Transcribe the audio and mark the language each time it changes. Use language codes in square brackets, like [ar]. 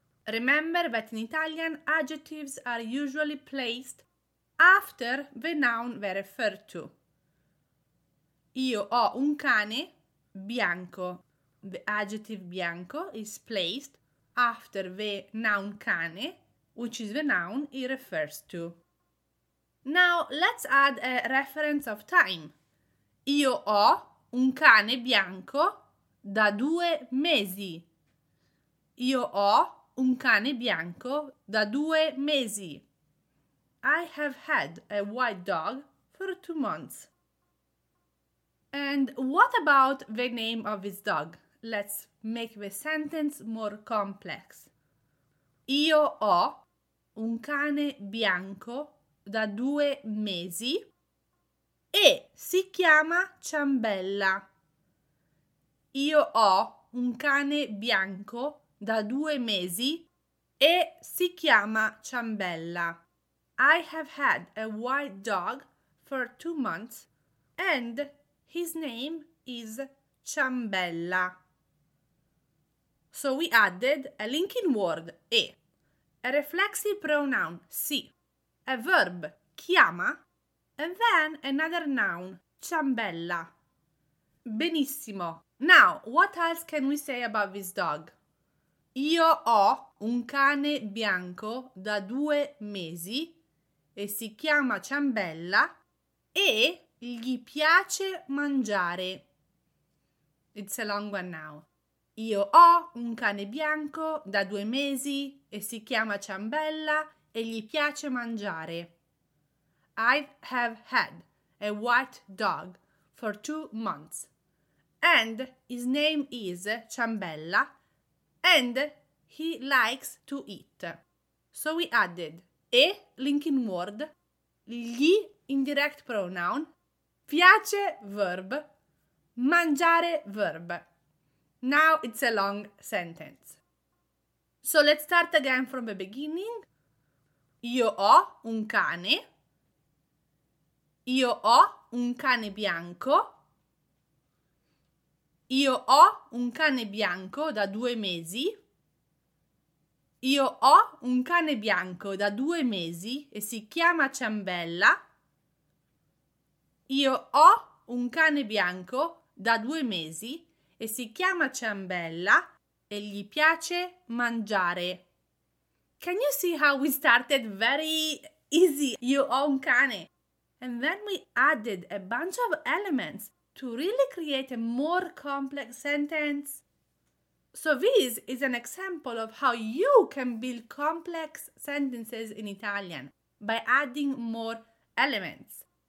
[en] Remember that in Italian, adjectives are usually placed after the noun they refer to. [it] Io ho un cane bianco. [en] The adjective bianco is placed after the noun cane, which is the noun it refers to. Now, let's add a reference of time. [it] Io ho un cane bianco da due mesi. Io ho un cane bianco da due mesi. [en] I have had a white dog for 2 months. And what about the name of this dog? Let's make the sentence more complex. [it] Io ho un cane bianco da 2 mesi e si chiama Ciambella. Io ho un cane bianco da 2 mesi e si chiama Ciambella. [en] I have had a white dog for 2 months and his name is Ciambella. So we added a linking word, e, a reflexive pronoun, si, a verb, chiama, and then another noun, Ciambella. [it] Benissimo. [en] Now, what else can we say about this dog? [it] Io ho un cane bianco da 2 mesi e si chiama Ciambella e gli piace mangiare. [en] It's a long one now. [it] Io ho un cane bianco da 2 mesi e si chiama Ciambella e gli piace mangiare. [en] I have had a white dog for 2 months and his name is Ciambella and he likes to eat. So we added e linking word, gli indirect pronoun, piace verb, mangiare verb. Now it's a long sentence. So let's start again from the beginning. [it] Io ho un cane. Io ho un cane bianco. Io ho un cane bianco da 2 mesi. Io ho un cane bianco da 2 mesi e si chiama Ciambella. Io ho un cane bianco da 2 mesi e si chiama Ciambella e gli piace mangiare. [en] Can you see how we started very easy? [it] Io ho un cane. [en] And then we added a bunch of elements to really create a more complex sentence. So this is an example of how you can build complex sentences in Italian by adding more elements.